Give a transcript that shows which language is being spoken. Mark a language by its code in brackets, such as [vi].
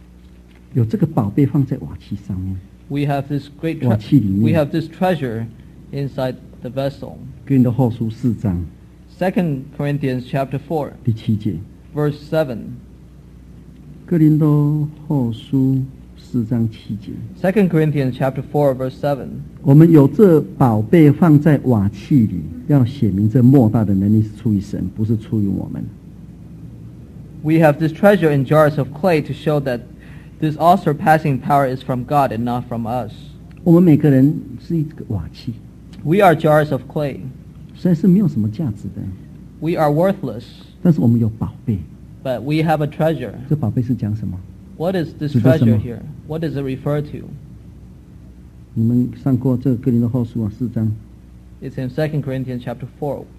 [zh] 来，你们找出来看看。有这个宝贝放在瓦器上面。 [en] We have this great treasure. We have this treasure inside the vessel. [zh] 哥林多后书4章。 [en] 2nd Corinthians chapter 4. [zh] 第7节。 [en] Verse 7. [zh] 哥林多后书4章7节 [en] 2 Corinthians chapter 4 verse 7 [zh] 我们有这宝贝放在瓦器里，要显明这莫大的能力是出于神，不是出于我们。 [en] We have this treasure in jars of clay to show that this all-surpassing power is from God and not from us. [zh] 我们每个人是一个瓦器。 [en] We are jars of clay. [zh] 虽然是没有什么价值的。 [en] We are worthless. [zh] 但是我们有宝贝。 [en] But we have a treasure. [zh] 这宝贝是讲什么？ [en] What is this treasure here? What does it refer to? [zh] 你们上过这个哥林多后书啊，4章。 [en] It's in 2 Corinthians chapter 4.